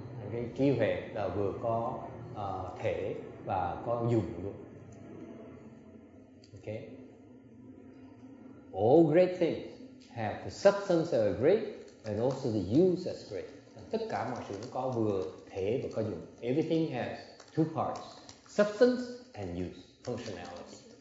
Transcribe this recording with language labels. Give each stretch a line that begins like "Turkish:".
Vietnamese: Okay, trí huệ là vừa có thể và có dùng luôn.
English: Okay, all great things have the substance of a great. And also the use is great.
Vietnamese: Tất cả mọi thứ có vừa thể và có dụng.
English: Everything has two parts: substance and use, functionality.